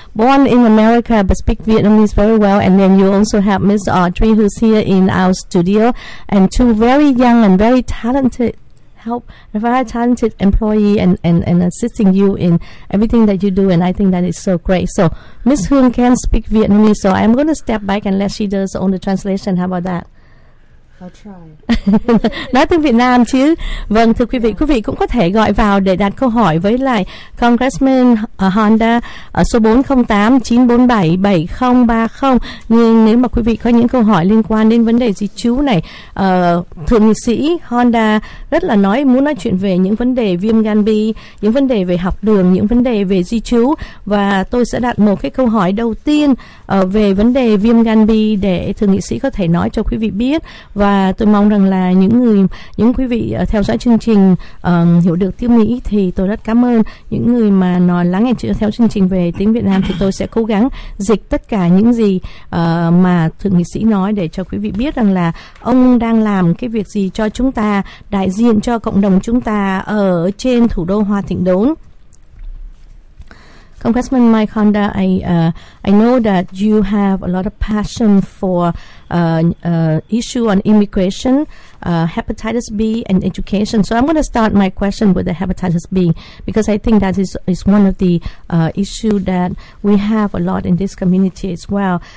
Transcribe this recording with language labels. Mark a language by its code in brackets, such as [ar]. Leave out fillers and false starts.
[en] Born in America, but speak Vietnamese very well. And then you also have Miss Audrey, who's here in our studio, and two very young and very talented employee and assisting you in everything that you do, and I think that is so great. So Miss Hương can speak Vietnamese, so I'm going to step back and let she does on the translation. How about that? I'll try. [vi] Nói tiếng Việt Nam chứ. Vâng, thưa quý vị, quý vị cũng có thể gọi vào để đặt câu hỏi với lại Congressman Honda ở số 408-947-7030. Nhưng nếu mà quý vị có những câu hỏi liên quan đến vấn đề di trú này, thượng nghị sĩ Honda rất là muốn nói chuyện về những vấn đề viêm gan B, những vấn đề về học đường, những vấn đề về di trú. Và tôi sẽ đặt một cái câu hỏi đầu tiên về vấn đề viêm gan B để thượng nghị sĩ có thể nói cho quý vị biết. Và tôi mong rằng là những quý vị theo dõi chương trình hiểu được tiếng Mỹ, thì tôi rất cảm ơn những người mà nói lắng nghe theo chương trình về tiếng Việt Nam, thì tôi sẽ cố gắng dịch tất cả những gì mà thượng nghị sĩ nói để cho quý vị biết rằng là ông đang làm cái việc gì cho chúng ta, đại diện cho cộng đồng chúng ta ở trên thủ đô Hoa Thịnh Đốn. [en] Congressman Mike Honda, I know that you have a lot of passion for issue on immigration, hepatitis B, and education. So I'm going to start my question with the hepatitis B, because I think that is one of the issue that we have a lot in this community as well.